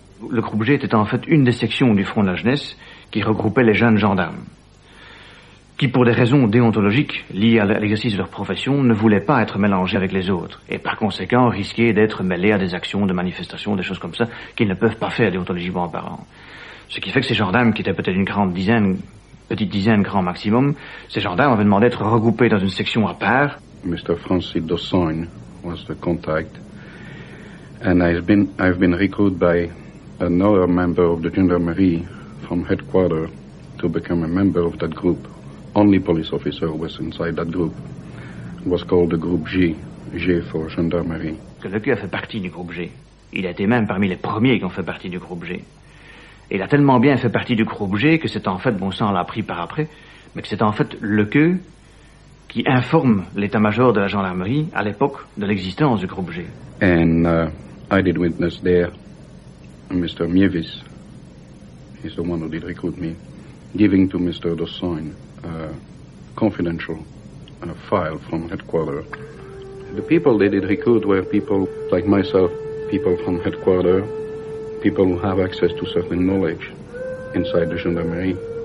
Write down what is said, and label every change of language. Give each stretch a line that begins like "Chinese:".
French: Le groupe G était en fait une des sections du Front de la Jeunesse qui regroupait les jeunes gendarmes, qui, pour des raisons déontologiques liées à l'exercice de leur profession, ne voulaient pas être mélangés avec les autres, et par conséquent risquaient d'être mêlés à des actions, de manifestations, des choses comme ça, qu'ils ne peuvent pas faire déontologiquement parlant. Ce qui fait que ces gendarmes, qui étaient peut-être une grande dizaine, petite dizaine, grand maximum, ces gendarmes avaient demandé d'être regroupés dans une section à part.
English: Mr. Francis Dossoin was the contact, and I've been recruited by another member of the gendarmerie from headquarters to become a member of that group. Only police officer was inside that group. It was called the Group G, G for gendarmerie.
French: Que le Q a fait partie du Groupe G. Il a été même parmi les premiers qui ont fait partie du Groupe G. Et il a tellement bien fait partie du Groupe G que c'est en fait, bon sang, on l'a appris par après, mais que c'est en fait le Q qui informe l'état-major de la gendarmerie à l'époque de l'existence du Groupe G.
English: And I did witness there Mr. Mievis, he's the one who did recruit me, giving to Mr. Dossoin a confidential file from headquarters. The people they did recruit were people like myself, people from headquarters, people who have access to certain knowledge inside the gendarmerie.